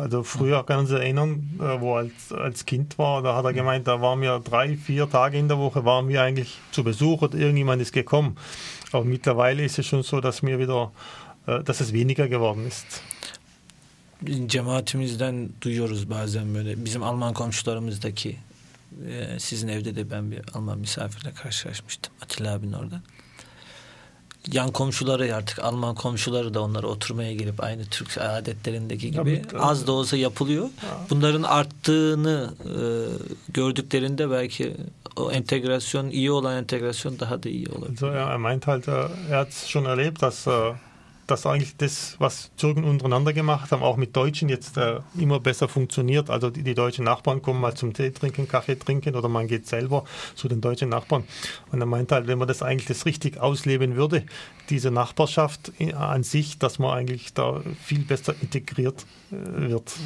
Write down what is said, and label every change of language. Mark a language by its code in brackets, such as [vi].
[de] Also früher kann man sich erinnern, wo als Kind war, da hat er gemeint, da waren wir 3-4 Tage in der Woche, waren wir eigentlich zu Besuch oder irgendjemand ist gekommen. Aber mittlerweile ist es schon so, dass es weniger geworden ist. [tr] cemaatimizden duyuyoruz bazen böyle. Bizim Alman komşularımızdaki, sizin evde de ben bir Alman misafirle karşılaşmıştım, Atilla abin orada. Yan komşuları, artık Alman komşuları da onlara oturmaya gelip aynı Türk adetlerindeki gibi az da olsa yapılıyor. Bunların arttığını gördüklerinde belki o entegrasyon, iyi olan entegrasyon daha da iyi olur. [de] So, ja, er meinte halt, er hat schon erlebt, dass dass eigentlich das, was Türken untereinander gemacht haben, auch mit Deutschen jetzt immer besser funktioniert. Also die, die deutschen Nachbarn kommen mal zum Tee trinken, Kaffee trinken, oder man geht selber zu den deutschen Nachbarn. Und er meinte halt, wenn man das eigentlich das richtig ausleben würde, diese Nachbarschaft an sich, dass man eigentlich da viel besser integriert wird.